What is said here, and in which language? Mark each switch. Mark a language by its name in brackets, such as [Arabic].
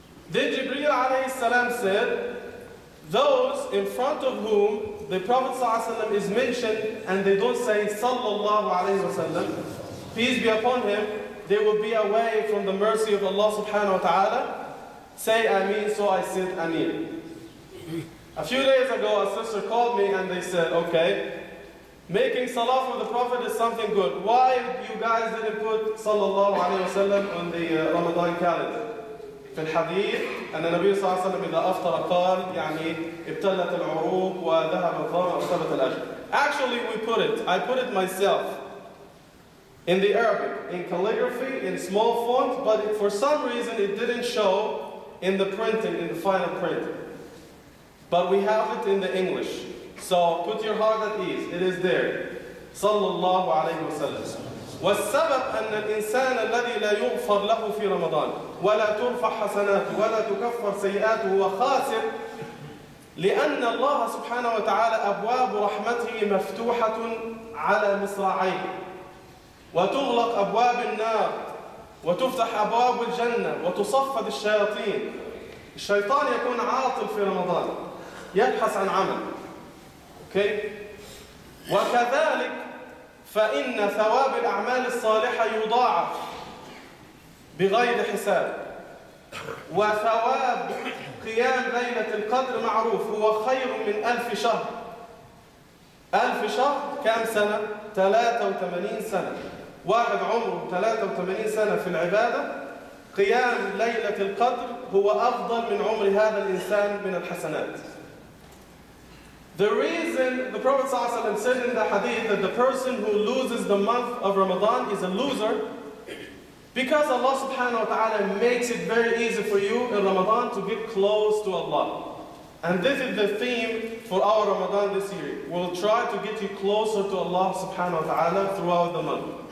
[English] Then Jibreel alayhi salam said, those in front of whom the Prophet ﷺ is mentioned and they don't say Sallallahu alayhi wa sallam, peace be upon him, they will be away from the mercy of Allah subhanahu wa ta'ala. Say Ameen. So I said Ameen. A few days ago, a sister called me and they said, okay, making salah for the Prophet is something good. Why you guys didn't put Sallallahu Alaihi Wasallam on the Ramadan calendar? [Arabic] في الحديث أن النبي صلى الله عليه وسلم إذا أفطر قال يعني ابتلت العروق وذهب الظمأ وثبت الأجر. [English] Actually, we put it. I put it myself in the Arabic, in calligraphy, in small font, but for some reason it didn't show in the printing, in the final printing. But we have it in the English. So put your heart at ease. It is there. Sallallahu alayhi wa sallam. [Arabic] والسبب أن الإنسان الذي لا يغفر له في رمضان ولا ترفع حسناته ولا تكفر سيئاته هو خاسر لأن الله سبحانه وتعالى أبواب رحمته مفتوحة على مصراعيه وتغلق أبواب النار وتفتح أبواب الجنة وتصفد الشياطين. الشيطان يكون عاطل في رمضان يبحث عن عمل. [English] Okay. [Arabic] وكذلك فإن ثواب الأعمال الصالحة يضاعف بغير حساب وثواب قيام ليلة القدر معروف هو خير من ألف شهر. ألف شهر كم سنة؟ 83 سنة. واحد عمره 83 سنة في العبادة. قيام ليلة القدر هو أفضل من عمر هذا الإنسان من الحسنات. [English] The reason the Prophet ﷺ said in the hadith that the person who loses the month of Ramadan is a loser, because Allah subhanahu wa ta'ala makes it very easy for you in Ramadan to get close to Allah. And this is the theme for our Ramadan this year. We'll try to get you closer to Allah subhanahu wa ta'ala throughout the month.